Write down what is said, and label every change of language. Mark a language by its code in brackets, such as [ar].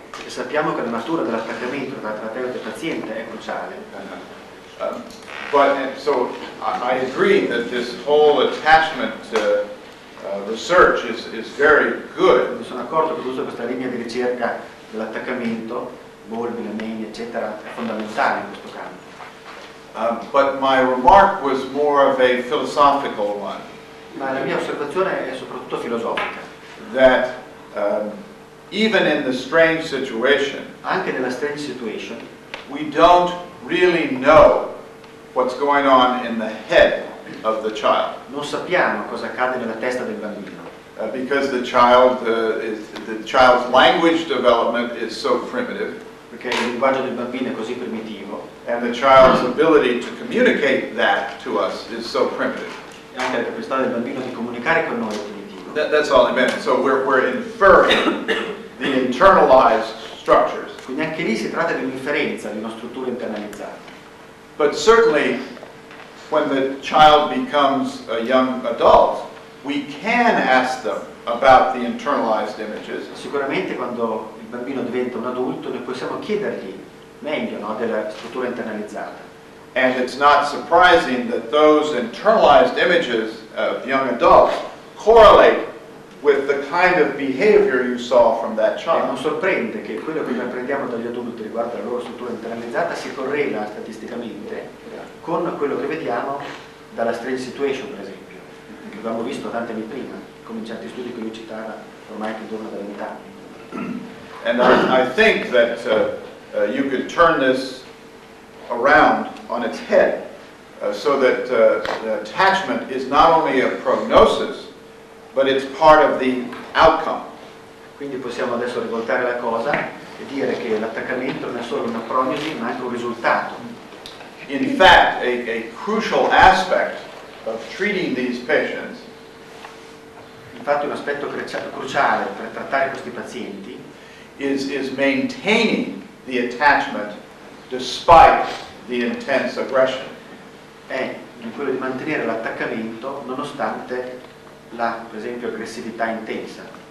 [it] E sappiamo che la natura dell'attaccamento tra terapeuta e paziente è cruciale. [en] But so I agree that this whole attachment research is very good. [it] Mi sono accorto che tutta questa linea di ricerca dell'attaccamento, Bolby, negli, eccetera, è fondamentale in questo campo. [en] But my remark was more of a philosophical one. [it] Ma la mia osservazione è soprattutto filosofica. [en] That even in the strange situation, [it] anche nella strange situation, [en] we don't really know what's going on in the head of the child. [it] Non sappiamo cosa accade nella testa del bambino. [en] Because the child, the child's language development is so primitive. [it] Perché il linguaggio del bambino è così primitivo. [en] And the child's ability to communicate that to us is so primitive. [it] E anche la capacità del bambino di comunicare con noi è primitivo. [en] That's all I meant. So we're inferring the internalized structures. [it] Quindi anche lì si tratta di un'inferenza, di una struttura internalizzata. [en] But certainly, when the child becomes a young adult, we can ask them about the internalized images. [it] Sicuramente quando il bambino diventa un adulto, noi possiamo chiedergli meglio, no, della struttura internalizzata. [en] And it's not surprising that those internalized images of young adults correlate with the kind of behavior you saw from that child. [it] E non sorprende che quello che noi apprendiamo dagli adulti riguardo alla loro struttura internalizzata si correla statisticamente con quello che vediamo dalla strange situation, per esempio, che abbiamo visto tanti anni prima, come in certi studi che lui citava ormai più giorno della metà. [en] And I think that you could turn this around on its head so that the attachment is not only a prognosis, but it's part of the outcome. [it] Quindi possiamo adesso rivoltare la cosa e dire che l'attaccamento non è solo una prognosi, ma anche un risultato. [en] In fact, a crucial aspect of treating these patients, [it] infatti un aspetto cruciale per trattare questi pazienti, [en] is maintaining the attachment despite the intense aggression. [it] È quello di mantenere l'attaccamento nonostante la, per esempio, aggressività intensa.